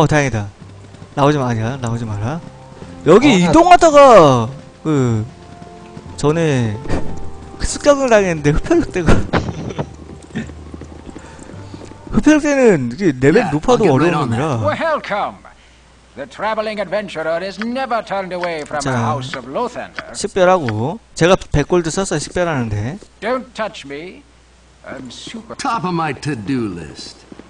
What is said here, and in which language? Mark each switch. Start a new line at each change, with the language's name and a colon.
Korean: 다행이다. 나오지 마라. 여기 이동하다가 그 전에 습격을 당했는데 흡혈륵 때가 흡혈 때는 이게 레벨 높아도 어려운 겁니다.
English: Welcome. The traveling adventurer is never turned away from the house of Lothander.
Korean: 식별하고 제가 100골드 썼어요. 식별하는데.
English: Don't touch me. I'm super top of my to-do list.